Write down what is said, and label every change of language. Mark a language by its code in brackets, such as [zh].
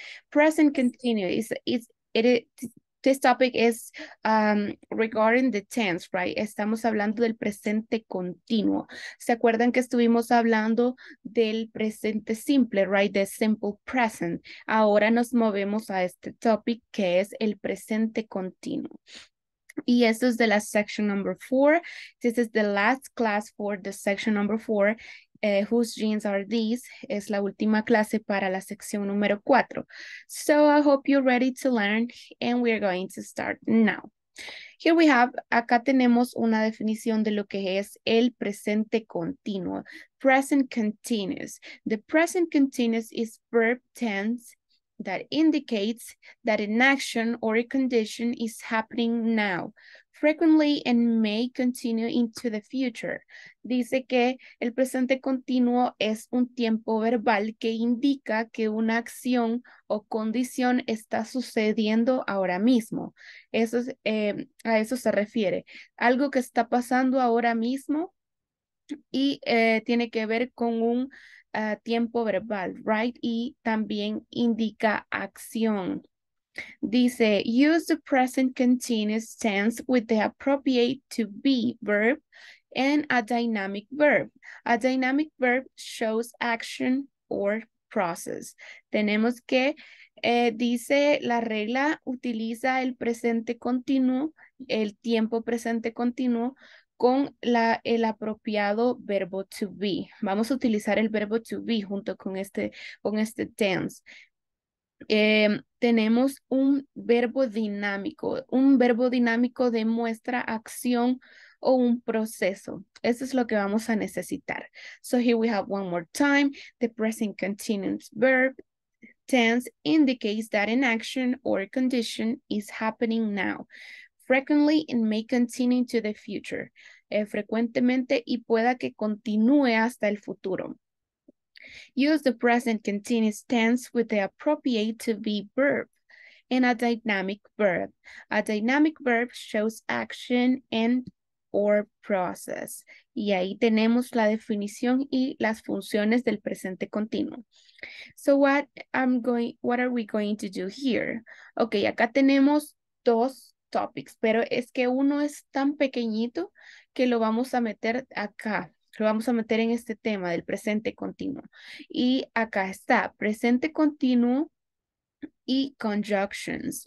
[en] Present continuous this topic is regarding the tense, right? [es] Estamos hablando del presente continuo. ¿Se acuerdan que estuvimos hablando del presente simple, right? [en] The simple present. [es] Ahora nos movemos a este topic que es el presente continuo. Y esto es de la section number 4. [en] This is the last class for the section number 4. Whose jeans are these? [es] Es la última clase para la sección número 4. [en] So I hope you're ready to learn and we're going to start now. Here we have, [es] acá tenemos una definición de lo que es el presente continuo. [en] Present continuous. The present continuous is verb tense that indicates that an action or a condition is happening now, frequently, and may continue into the future. [es] Dice que el presente continuo es un tiempo verbal que indica que una acción o condición está sucediendo ahora mismo. Eso es, a eso se refiere. Algo que está pasando ahora mismo y tiene que ver con un tiempo verbal, right? Y también indica acción. [en] Dice, use the present continuous tense with the appropriate to be verb and a dynamic verb. A dynamic verb shows action or process. [es] Tenemos que, dice la regla, utiliza el presente continuo, el tiempo presente continuo, con la, el apropiado verbo to be. Vamos a utilizar el verbo to be junto con este tense. Tenemos un verbo dinámico. Un verbo dinámico demuestra acción o un proceso. Eso es lo que vamos a necesitar. [en] So here we have one more time. The present continuous verb tense indicates that an action or condition is happening now. Frequently and may continue to the future. [es] Frecuentemente y pueda que continúe hasta el futuro. [en] Use the present continuous tense with the appropriate to be verb and a dynamic verb. A dynamic verb shows action and or process. [es] Y ahí tenemos la definición y las funciones del presente continuo. [en] So what are we going to do here? [es] Okay, acá tenemos dos topics, pero es que uno es tan pequeñito que lo vamos a meter acá. Lo vamos a meter en este tema del presente continuo. Y acá está, presente continuo y conjunctions.